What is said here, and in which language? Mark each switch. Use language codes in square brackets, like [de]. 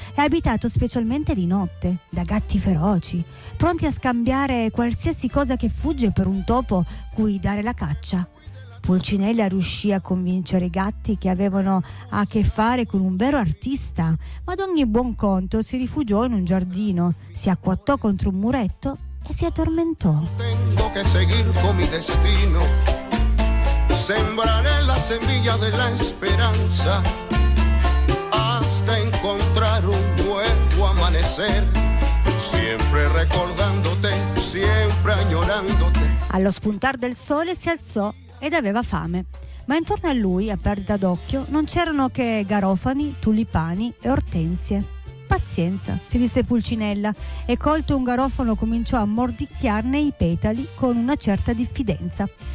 [it] È abitato specialmente di notte, da gatti feroci, pronti a scambiare qualsiasi cosa che fugge per un topo cui dare la caccia. Pulcinella riuscì a convincere i gatti che avevano a che fare con un vero artista, ma ad ogni buon conto si rifugiò in un giardino, si acquattò contro un muretto e si addormentò. [es] Tengo che seguir con mi destino, sembrare la semilla [it] della speranza, [es] hasta encontrar un nuevo amanecer, siempre recordándote, siempre añorándote. [it] Allo spuntar del sole si alzò ed aveva fame, ma intorno a lui, a perdita d'occhio, non c'erano che garofani, tulipani e ortensie. Pazienza, si disse Pulcinella, e colto un garofano cominciò a mordicchiarne i petali con una certa diffidenza.